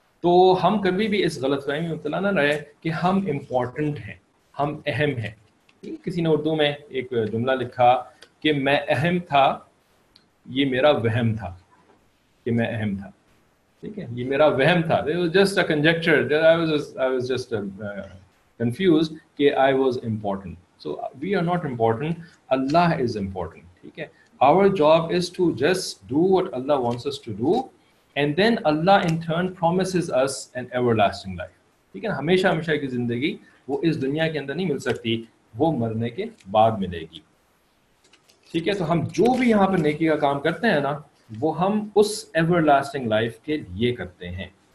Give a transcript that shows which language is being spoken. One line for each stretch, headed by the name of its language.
Urdu: تو ہم کبھی بھی اس غلط فہمی میں مبتلا نہ رہے کہ ہم امپورٹنٹ ہیں, ہم اہم ہیں. کسی نے اردو میں ایک جملہ لکھا کہ میں اہم تھا, یہ میرا وہم تھا کہ میں اہم تھا, ٹھیک ہے, یہ میرا وہم تھا.
English: It was just a conjecture. I was just confused
Urdu: کہ
English: I was important. So we are not important. Allah is important.
Urdu: ٹھیک ہے.
English: Our job is to just do what Allah wants us to do. And then Allah in turn promises us an everlasting life.
Urdu: ٹھیک ہے. ہمیشہ ہمیشہ کی زندگی وہ اس دنیا کے اندر نہیں مل سکتی, وہ مرنے کے بعد ملے گی. ٹھیک ہے. تو ہم جو بھی یہاں پر نیکی کا کام کرتے ہیں نا, وہ ہم اس ایور لاسٹنگ لائف کے لیے کرتے ہیں.